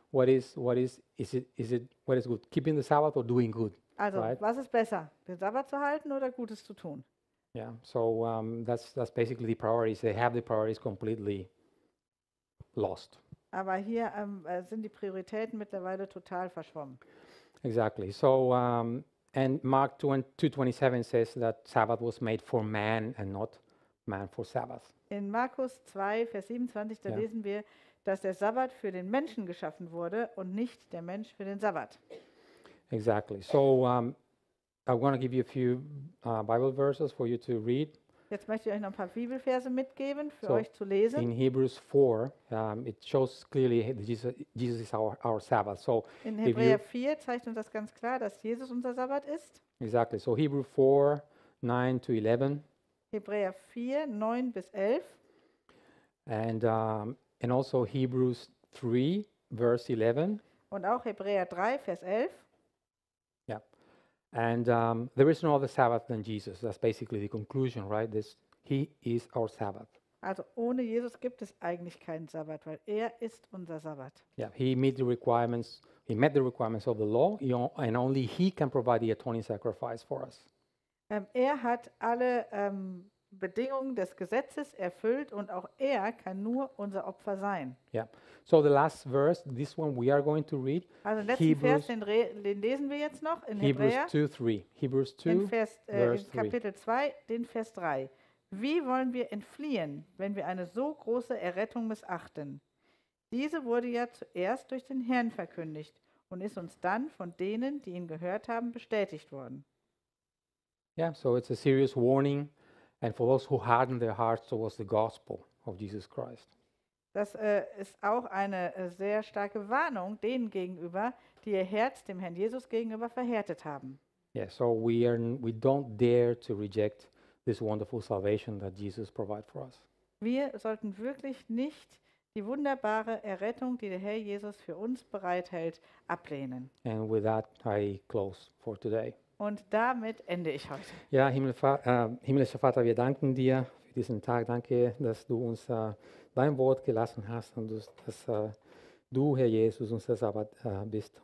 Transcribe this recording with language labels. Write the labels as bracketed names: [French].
[English] What is what is good? Keeping the Sabbath or doing good? Also, right? [German] Was ist besser, den Sabbat zu halten oder Gutes zu tun? [English] Yeah. So that's basically the priorities. They have the priorities completely lost. [German] Aber hier sind die Prioritäten mittlerweile total verschwommen. [English] Exactly. So and Mark 2:27 says that Sabbath was made for man and not man for Sabbath. [German] In Markus 2 Vers 27 da lesen wir, dass der Sabbat für den Menschen geschaffen wurde und nicht der Mensch für den Sabbat. [English] Exactly. So I'm going to give you a few Bible verses for you to read. [German] Jetzt möchte ich euch noch ein paar Bibelverse mitgeben für euch zu lesen. [English] In Hebrews 4 it shows clearly that Jesus is our Sabbath. So [German] in Hebräer 4 zeigt uns das ganz klar, dass Jesus unser Sabbat ist. [English] Exactly. So Hebrews 4 9 to 11. [German] Hebräer 4 9 bis 11. [English] And also Hebrews 3 verse 11. [German] Und auch Hebräer 3 Vers 11. [English] And there is no other Sabbath than Jesus. That's basically the conclusion, right? This he is our Sabbath. [German] Also ohne Jesus gibt es eigentlich keinen Sabbat, weil er ist unser Sabbat. [English] Yeah, he met the requirements of the law, and only he can provide the atoning sacrifice for us. [German] Er hat alle Bedingungen des Gesetzes erfüllt und auch er kann nur unser Opfer sein. [English] Yeah. So the last verse, this one we are going to read. [German] Also den letzten Vers, den lesen wir jetzt noch in [English] Hebrews [German] Hebräer. [English] 2, 3. Hebrews 2, [German] Vers, verse 3. Kapitel 2, den Vers 3. Wie wollen wir entfliehen, wenn wir eine so große Errettung missachten? Diese wurde ja zuerst durch den Herrn verkündigt und ist uns dann von denen, die ihn gehört haben, bestätigt worden. [English] Yeah, so it's a serious warning. And for those who harden their hearts towards the gospel of Jesus Christ. [German] Das ist auch eine sehr starke Warnung denen gegenüber, die ihr Herz dem Herrn Jesus gegenüber verhärtet haben. [English] Yeah, so we don't dare to reject this wonderful salvation that Jesus provided for us. [German] Wir sollten wirklich nicht die wunderbare Errettung, die der Herr Jesus für uns bereithält, ablehnen. [English] And with that, I close for today. [German] Und damit ende ich heute. Ja, himmlischer Vater, wir danken dir für diesen Tag. Danke, dass du uns dein Wort gelassen hast und dass du, Herr Jesus, unser Sabbat bist.